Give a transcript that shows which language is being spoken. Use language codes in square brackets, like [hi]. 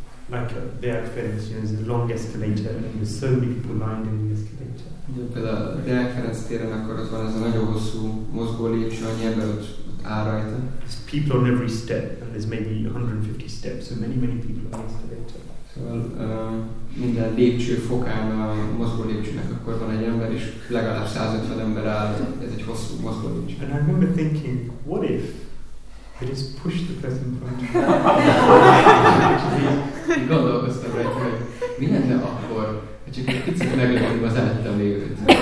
[en] Like the Deák Ferenc, you know, the long escalator, and there's so many people lined in the escalator. [hu] Például a Deák Ferenc téren, akkor ott van ez a nagyon hosszú mozgó lépcső, annyi ember ott áll rajta. [en] There's people on every step, and there's maybe 150 steps, so many, many people on the escalator. [hu] Szóval minden lépcső fokán a mozgó lépcsőnek, akkor van egy ember, és legalább 150 ember áll, ez egy hosszú mozgó lépcső. [en] And I remember thinking, what if I just push the person from the [hu] gondolkoztam rá, hogy mi lenne akkor, ha csak egy picit meglepődik az előttem lévőt.